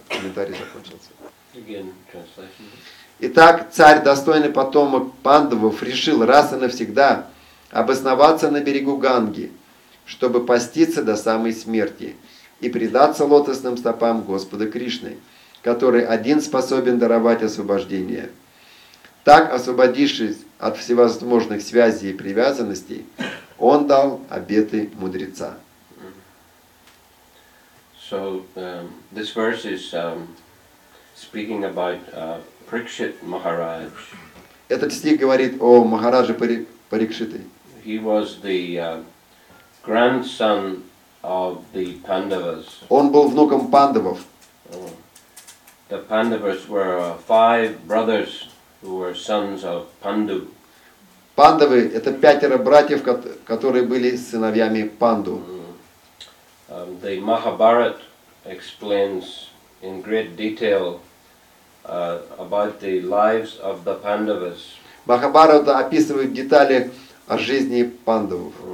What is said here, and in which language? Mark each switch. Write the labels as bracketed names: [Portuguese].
[Russian] Комментарий закончился. Итак, царь, достойный потомок Пандавов, решил раз и навсегда обосноваться на берегу Ганги, чтобы поститься до самой смерти и предаться лотосным стопам Господа Кришны, который один способен даровать освобождение. Так, освободившись от всевозможных связей и привязанностей, он дал обеты мудреца. [English] So this verse is speaking about Parikshit Maharaj. [Russian] Этот стих говорит о Махарадже Парикшите. [English] He was the grandson of the Pandavas. [Russian] Он был внуком Пандавов. [English] The Pandavas were five brothers who were sons of Pandu. [Russian] Пандавы — это пятеро братьев, которые были сыновьями Панду. [English] The Mahabharata explains in great detail about the lives of the Pandavas. [Russian] Махабхарата описывает детали о жизни Пандавов.